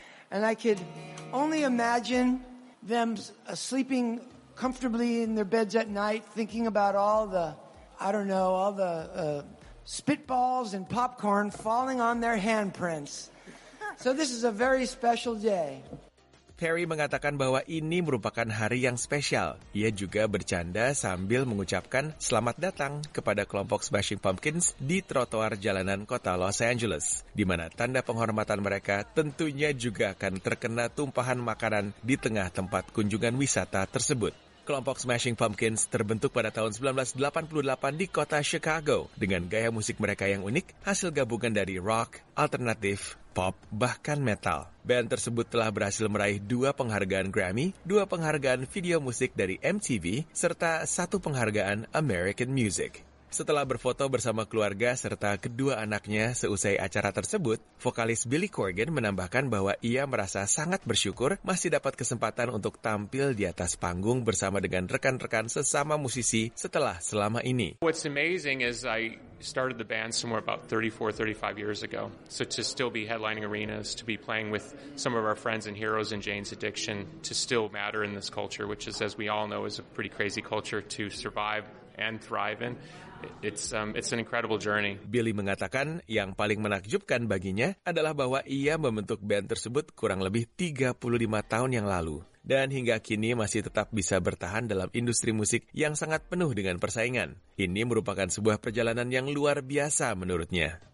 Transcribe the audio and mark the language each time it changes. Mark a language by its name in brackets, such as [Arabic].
[English] And I could only imagine them sleeping comfortably in their beds at night, thinking about all the, I don't know, all the spitballs and popcorn falling on their handprints. So this is a very special day. [Indonesian] Perry mengatakan bahwa ini merupakan hari yang spesial. Ia juga bercanda sambil mengucapkan selamat datang kepada kelompok Smashing Pumpkins di trotoar jalanan kota Los Angeles, di mana tanda penghormatan mereka tentunya juga akan terkena tumpahan makanan di tengah tempat kunjungan wisata tersebut. Kelompok Smashing Pumpkins terbentuk pada tahun 1988 di kota Chicago dengan gaya musik mereka yang unik, hasil gabungan dari rock, alternatif, pop, bahkan metal. Band tersebut telah berhasil meraih 2 penghargaan Grammy, 2 penghargaan video musik dari MTV, serta 1 penghargaan American Music. Setelah berfoto bersama keluarga serta kedua anaknya seusai acara tersebut, vokalis Billy Corgan menambahkan bahwa ia merasa sangat bersyukur masih dapat kesempatan untuk tampil di atas panggung bersama dengan rekan-rekan sesama musisi setelah selama ini. [English] What's amazing is I started the band somewhere about 34, 35 years ago. So to still be headlining arenas, to be playing with some of our friends and heroes in Jane's Addiction, to still matter in this culture, which is, as we all know, is a pretty crazy culture to survive and thrive in. It's an incredible journey. [Indonesian] Billy mengatakan yang paling menakjubkan baginya adalah bahwa ia membentuk band tersebut kurang lebih 35 tahun yang lalu dan hingga kini masih tetap bisa bertahan dalam industri musik yang sangat penuh dengan persaingan. Ini merupakan sebuah perjalanan yang luar biasa menurutnya.